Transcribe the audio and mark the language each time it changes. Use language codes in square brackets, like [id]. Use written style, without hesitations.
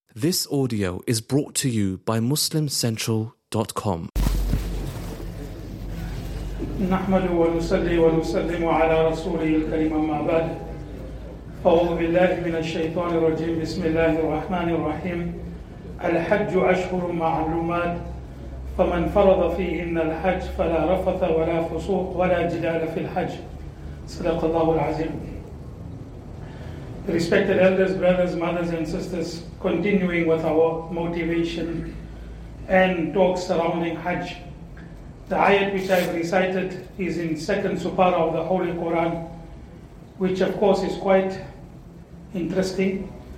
[en] This audio is brought to you by MuslimCentral.com. [ar] نحمد ونصلي ونسلم على رسوله الكريم أما بعد أعوذ بالله من الشيطان الرجيم بسم الله الرحمن الرحيم الحج أشهر معلومات فمن فرض فيهن الحج فلا رفث ولا فسوق ولا جدال في الحج صدق الله العظيم. [en] Respected elders, brothers, mothers and sisters, continuing with our motivation and talk surrounding Hajj. The ayat which I have recited is in second supara of the Holy Quran, which of course is quite interesting.